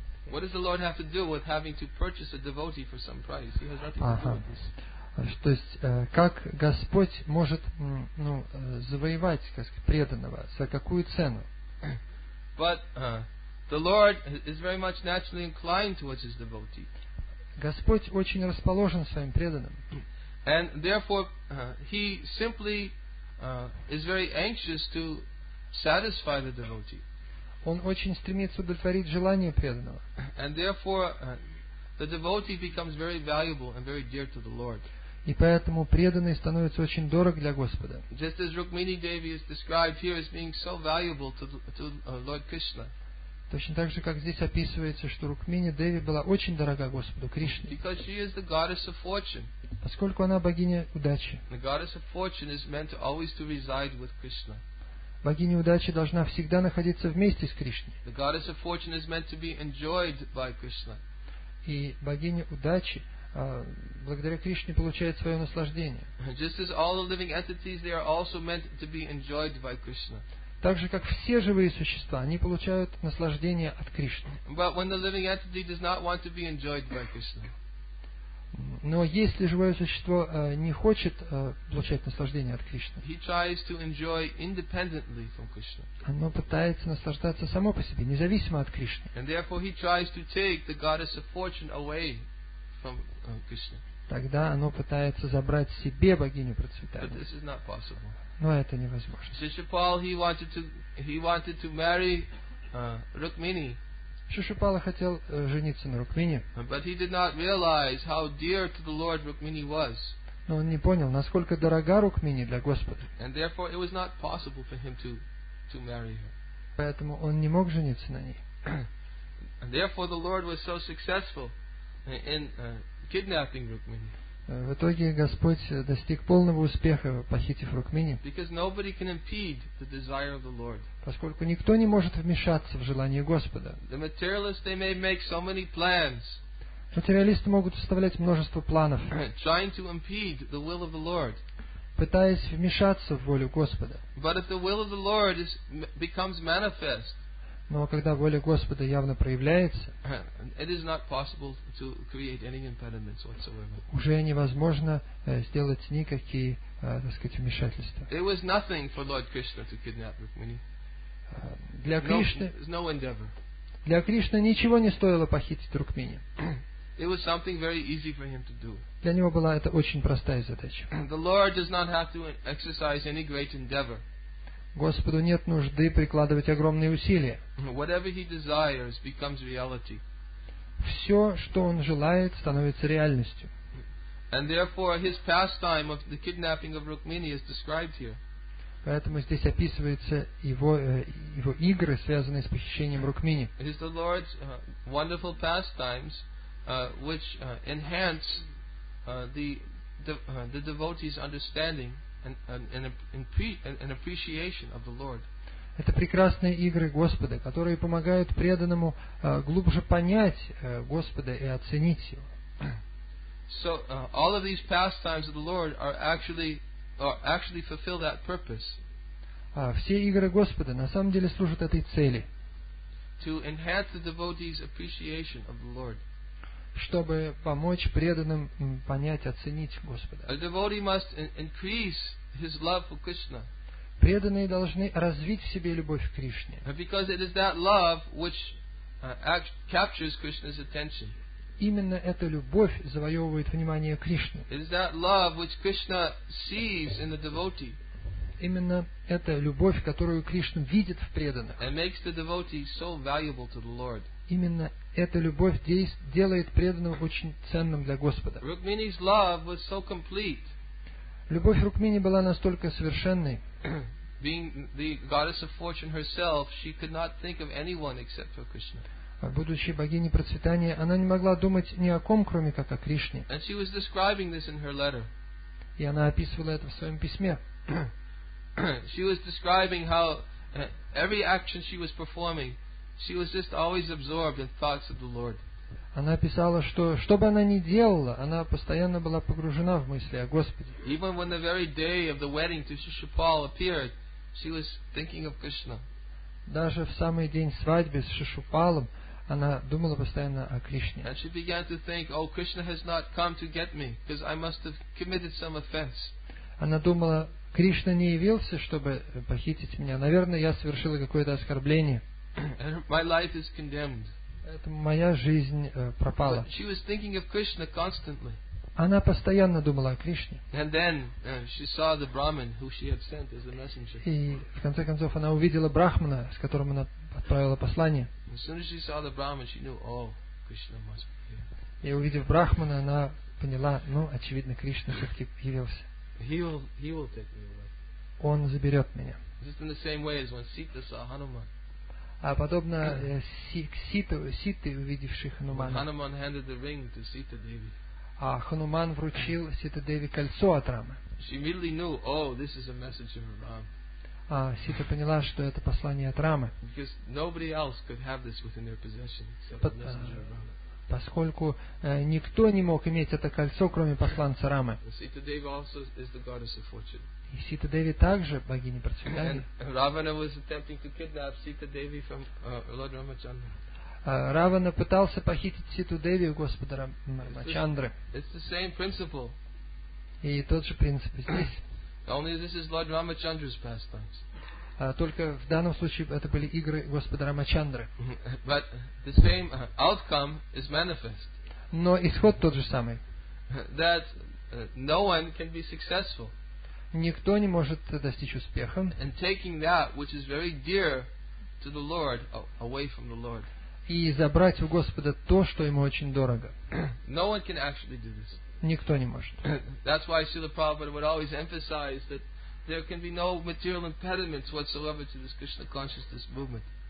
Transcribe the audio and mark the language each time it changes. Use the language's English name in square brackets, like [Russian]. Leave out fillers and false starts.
[English] What does the Lord have to do with having to purchase a devotee for some price? He has nothing to do with this. [Russian] То есть, как Господь может, ну, завоевать, как сказать, преданного за какую цену? [English] But the Lord is very much naturally inclined towards his devotee. [Russian] Господь очень расположен своим преданным. [English] And therefore, he simply is very anxious to satisfy the devotee. [Russian] Он очень стремится удовлетворить желание преданного. [English] And therefore, the devotee becomes very valuable and very dear to the Lord. [Russian] И поэтому преданный становится очень дорог для Господа. [English] Just as Rukmini Devi is described here as being so valuable to Lord Krishna. [Russian] Точно так же, как здесь описывается, что Рукмини Деви была очень дорога Господу Кришне. [English] Because she is the goddess of fortune. [Russian] Поскольку она богиня удачи. [English] The goddess of fortune is meant to always to reside with Krishna. [Russian] Богиня удачи должна всегда находиться вместе с Кришной. [English] The goddess of fortune is meant to be enjoyed by Krishna. [Russian] И богиня удачи, благодаря Кришне, получает свое наслаждение. [English] Just as all the living entities, they are also meant to be enjoyed by Krishna. [Russian] Так же, как все живые существа, они получают наслаждение от Кришны. [English] But when the living entity does not want to be enjoyed by Krishna. [Russian] Но если живое существо не хочет получать наслаждение от Кришны, [English] he tries to enjoy independently from Krishna. [Russian] Оно пытается наслаждаться само по себе, независимо от Кришны. [English] And therefore he tries to take the goddess of fortune away from Krishna. [Russian] Тогда оно пытается забрать себе богиню процветания. [English] But this is not possible. [Russian] Но это невозможно. [English] Шишупал, he wanted to marry Rukmini. [Russian] Шишупала хотел жениться на Рукмини. [English] But he did not realize how dear to the Lord Rukmini was. [Russian] Но он не понял, насколько дорога Рукмини для Господа. [English] And therefore it was not possible for him to marry her. [Russian] Поэтому он не мог жениться на ней. [English] And therefore the Lord was so successful in kidnapping Rukmini. [Russian] В итоге Господь достиг полного успеха, похитив Рукмини. [English] Because nobody can impede the desire of the Lord. [Russian] Поскольку никто не может вмешаться в желание Господа. [English] The materialists, they may make so many plans. [Russian] Материалисты могут составлять множество планов. [English] Trying to impede the will of the Lord. [Russian] Пытаясь вмешаться в волю Господа. [English] But if the will of the Lord becomes manifest. [Russian] Но когда воля Господа явно проявляется, [English] it is not possible to create any impediments whatsoever. [Russian] Уже невозможно сделать никакие, так сказать, вмешательства. [English] It was nothing for Lord Krishna to kidnap Rukmini. [Russian] Для Кришны, [English] no endeavor. [Russian] Для Кришны ничего не стоило похитить Рукмини. [English] It was something very easy for him to do. [Russian] Для него была это очень простая задача. [English] The Lord does not have to exercise any great endeavor. [Russian] Господу нет нужды прикладывать огромные усилия. [English] Whatever he desires becomes reality. [Russian] Все, что он желает, становится реальностью. [English] And therefore his pastime of the kidnapping of Rukmini is described here. [Russian] Поэтому здесь описывается его игры, связанные с похищением Рукмини. [English] It is the Lord's wonderful pastimes which enhance the devotee's understanding. An appreciation of the Lord. [Russian] Это прекрасные игры Господа, которые помогают преданному глубже понять Господа и оценить его. [English] So all of these pastimes of the Lord are actually fulfill that purpose. [Russian] Все игры Господа на самом деле служат этой цели. [English] To enhance the devotee's appreciation of the Lord. [Russian] Чтобы помочь преданным понять, оценить Господа. [English] A devotee must increase his love for Krishna. [Russian] Преданные должны развить в себе любовь к Кришне. [English] Because it is that love which captures Krishna's attention. [Russian] Именно эта любовь завоевывает внимание Кришны. [English] It is that love which Krishna sees in the devotee. [Russian] Именно эта любовь, которую Кришна видит в преданных. [English] And makes the devotee so valuable to the Lord. [Russian] Именно эта любовь делает преданного очень ценным для Господа. [English] Rukmini's love was so complete. [Russian] Любовь Рукмини была настолько совершенной. [English] Being the goddess of fortune herself, she could not think of anyone except for Krishna. [Russian] Будучи богиней процветания, она не могла думать ни о ком, кроме как о Кришне. [English] And she was describing this in her letter. [Russian] И она описывала это в своем письме. [English] She was describing how every action she was performing, she was just always absorbed in thoughts of the Lord. [Russian] Она писала, что бы она ни делала, она постоянно была погружена в мысли о Господе. [English] Even when the very day of the wedding to Shishupal appeared, she was thinking of Krishna. [Russian] Даже в самый день свадьбы с Шишупалом, она думала постоянно о Кришне. [English] And she began to think, oh, Krishna has not come to get me, because I must have committed some offense. [Russian] Она думала, Кришна не явился, чтобы похитить меня. Наверное, я совершила какое-то оскорбление. [English] And my life is condemned. [Russian] Поэтому моя жизнь пропала. [English] She was thinking of Krishna constantly. [Russian] Она постоянно думала о Кришне. [English] And then she saw the Brahmin who she had sent as the messenger. [Russian] И в конце концов она увидела Брахмана, с которым она отправила послание. [English] As soon as she saw the Brahmin, she knew, oh, Krishna must be here. [Russian] И увидев Брахмана, она поняла, ну, очевидно, Кришна все-таки явился. [English] He will take me away. [Russian] Он заберет меня. [English] Just in the same way as when Sita saw Hanuman. [Russian] А подобно Ситы, увидевшей Хануман. [English] Hanuman handed the ring to Sita Devi. [Russian] А Хануман вручил Сита Деви кольцо от Рамы. [English] She immediately knew, oh, this is a messenger from Ram. [Russian] А Сита поняла, что это послание от Рамы. [English] Because nobody else could have this within their possession except the messenger from Ram. [Russian] Поскольку никто не мог иметь это кольцо, кроме посланца Рамы. [English] Sita Devi also is the goddess of fortune. [Russian] И Сита Деви также богиня процветания. [English] Равана was attempting to kidnap Sita Devi from Lord Ramachandra. [Russian] Равана пытался похитить Ситу Деви у господа Рамачандры. [English] It's the same principle. [Russian] И тот же принцип здесь. [English] Only this is Lord Ramachandra's pastimes. [Russian] Только в данном случае это были игры господа Рамачандры. [English] But the same outcome is manifest. [Russian] Но исход тот же самый. [English] That no one can be successful. [Russian] Никто не может достичь успеха. [English] And taking that which is very dear to the Lord, away from the Lord. [Russian] И забрать у Господа то, что ему очень дорого. [English] No one can actually do this. [Russian] Никто не может. [English] That's why Srila Prabhupada would always emphasize that there can be no material impediments whatsoever to this Krishna consciousness movement.